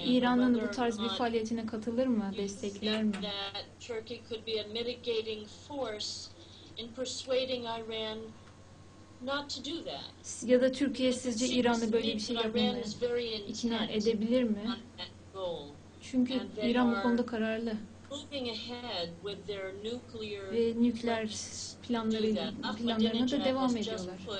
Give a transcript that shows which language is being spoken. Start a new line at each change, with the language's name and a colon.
Turkish: İran'ın bu tarz bir faaliyetine katılır mı, destekler mi?
English: That Turkey could be a mitigating force in persuading Iran not to do that.
Turkish: Ya da Türkiye sizce İran'ı böyle bir şey yapmaya ikna edebilir mi? Çünkü İran bu konuda kararlı.
English: Moving ahead with their nuclear
Turkish: planlarına da devam ediyorlar.